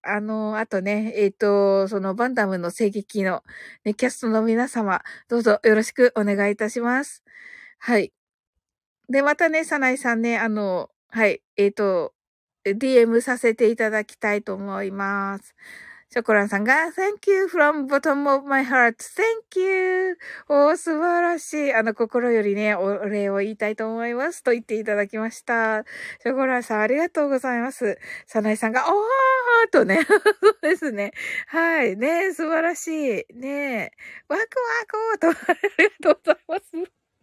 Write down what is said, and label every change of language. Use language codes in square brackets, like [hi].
[ja] あとね、そのバンダムの声劇の、ね、キャストの皆様、どうぞよろしくお願いいたします。はい。で、またね、サナイさんね、はい。DM させていただきたいと思います。ショコランさんが、 [en] Thank you from bottom of my heart. Thank you. [ja] おー、素晴らしい。心よりね、お礼を言いたいと思います。と言っていただきました。ショコランさん、ありがとうございます。サナイさんが、おーとね、そうですね。はい。ね、素晴らしい。ね、ワクワクと、ありがとうございます。